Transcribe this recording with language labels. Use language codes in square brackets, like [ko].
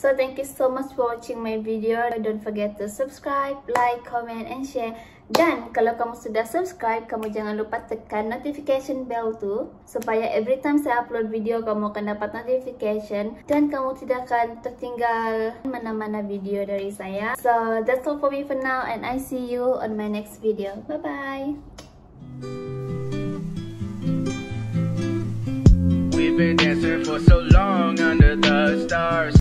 [en] So, thank you so much for watching my video. Don't forget to subscribe, like, comment, and share. [ms] Dan kalau kamu sudah subscribe, kamu jangan lupa tekan notification bell tu supaya [en] every time [ms] saya upload video, kamu akan dapat notification dan kamu tidak akan tertinggal mana-mana video dari saya. [en] So, that's all for me for now and I see you on my next video. Bye-bye! We've been dancing for so long under the stars.